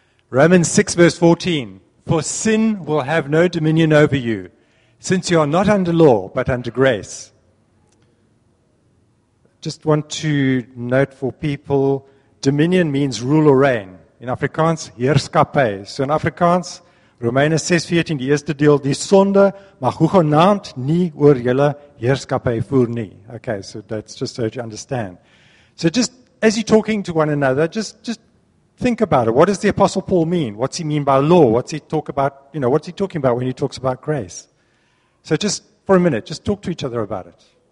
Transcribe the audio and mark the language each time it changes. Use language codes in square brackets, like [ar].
[en] Romans 6 verse 14, "For sin will have no dominion over you, since you are not under law, but under grace." Just want to note for people, dominion means rule or reign. In Afrikaans, heerskappy. So in Afrikaans, [af] Romeine 6:14, die eerste deel, die sonde mag hoegenaamd nie oor julle heerskappy voer nie. [en] Okay, so that's just so you understand. So just as you're talking to one another, just think about it. What does the Apostle Paul mean? What's he mean by law? What's he talk about? You know, what's he talking about when he talks about grace? So just for a minute, just talk to each other about it.